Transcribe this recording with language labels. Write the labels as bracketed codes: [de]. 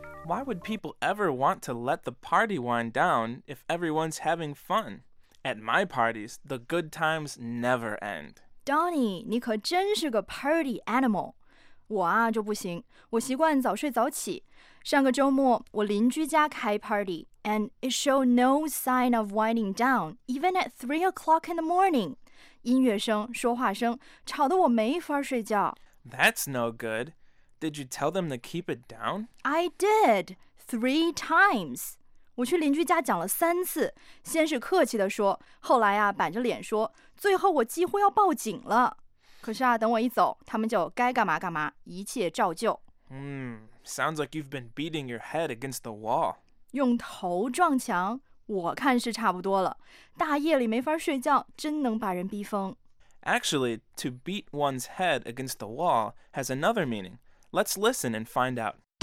[en] Why would people ever want to let the party wind down if everyone's having fun? At my parties, the good times never end. [zh] Donny, 你可真是个 party animal. 我啊就不行，我习惯早睡早起。上个周末，我邻居家开 [en] party, and it showed no sign of winding down, even at 3 o'clock in the morning. [zh] 音乐声、说话声吵得我没法睡觉。 [en] That's no good. Did you tell them to keep it down? I did, 3 times. [zh] 我去邻居家讲了三次，先是客气地说，后来啊，板着脸说，最后我几乎要报警了。可是啊，等我一走，他们就该干嘛干嘛，一切照旧。 [en] Sounds like you've been beating your head against the wall. [zh] 用头撞墙，我看是差不多了。大夜里没法睡觉，真能把人逼疯。 [en] Actually, to beat one's head against the wall has another meaning. Let's listen and find out.